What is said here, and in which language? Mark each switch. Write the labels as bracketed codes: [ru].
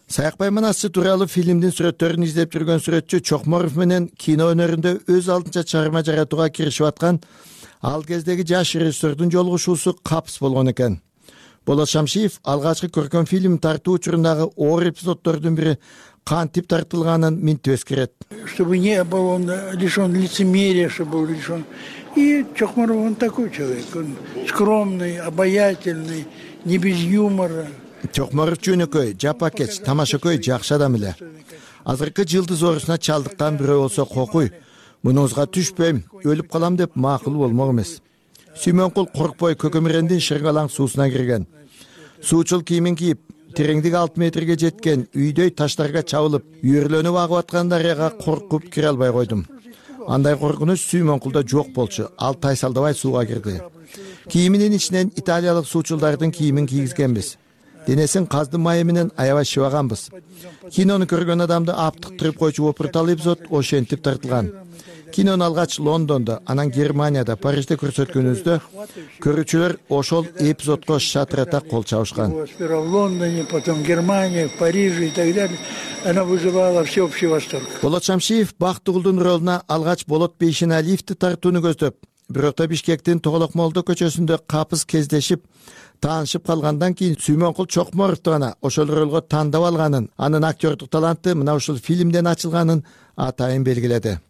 [ky] Саякбай Манасы тууралуу фильмдин сүрөттөрүн издеп жүргөн сүрөтчү Чокморов менен кино өнөрүндө өз алдынча чыгарма жаратууга киришип аткан ал кездеги жаш режиссердун жолугушуусу капыс болгон экен. Болот Шамшиев алгачкы көркөм фильм тартуу учурундагы оор эпизоддордун бири кантип тартылганын минтип эскерет. [ru] Чтобы не был он лишен лицемерия, чтобы он лишен. И Чокморов он такой человек, он скромный, обаятельный, не без юмора. [ky] Чокморов жөнөкөй, жапакеч, тамашакөй жакшы адам эле. Азыркы жылдыз оорусуна чалдыккан бирөө болсо кокуй. Мунуңузга түшпөйм, өлүп калам деп макул болмок эмес. Сүймөнкул коркпой көкөмирендин шыргалаң суусуна кирген. Суучул кийимин кийип, тереңдиги 6 метрге жеткен үйдөй таштарга чабылып, үйөрлөнүп агып аткан дарыяга коркуп кире албай койдум. Андай коркунуч Сүймөнкулда жок болчу, ал тайсалдабай сууга кирди. Кийиминин ичинен италиялык суучулдардын кийимин кийгизгенбиз. Денесин каздын майы менен аябай шыбаганбыз. Кинону көргөн адамды аптыктырып койчу опурталы эпизод ошентип тартылган. Кинону алгач Лондондо, анан Германияда, Парижде көрсөткөнүбүздө көрүүчүлөр ошол эпизодко шатырата кол чабышкан. [ru] В Лондоне, потом Германия, Париже и так далее. Она вызывала всеобщий восторг. [ky] Болот Шамшиев Бактыгүлдүн ролуна алгач Болот Бейшиналиевди тартууну көздөп, бирок да Бишкектин Тоголок Молдо көчөсүндө капыз кездешип, таанышып калгандан кийин Сүймөнкул Чокморовду гана ошол ролго тандап алганын, анын актёрдук таланты мына ушул фильмден ачылганын атайын белгиледи.